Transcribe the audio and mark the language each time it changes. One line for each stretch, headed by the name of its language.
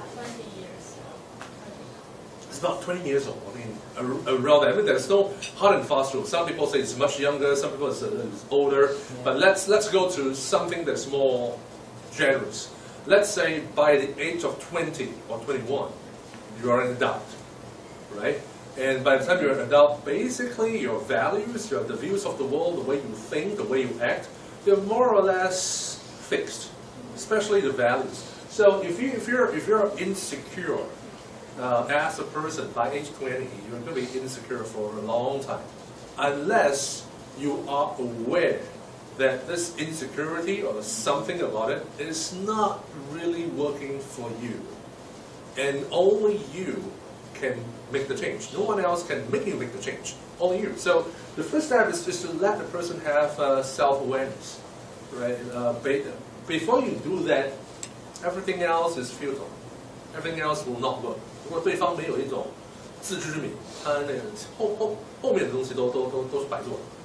Chinese: 到了什么岁数，差不多就已经成型了。
English: It's about 20 years old. I mean, around that. I mean, there's no hard and fast rule. Some people say it's much younger. Some people say it's older. But let's go to something that's more generous. Let's say by the age of 20 or 21, you are an adult, right? And by the time you're an adult, basically your values, your, the views of the world, the way you think, the way you act, they're more or less fixed, especially the values. So if you're insecure as a person by age 20, you're going to be insecure for a long time, unless you are aware that this insecurity or something about it is not really working for you. And only you can make the change. No one else can make you make the change. Only you. So the first step is just to let the person have self-awareness. Right? Before you do that, everything else is futile. Everything else will not work.
Chinese: 如果对方没有一种自知之明，他那个后面的东西都是白做的。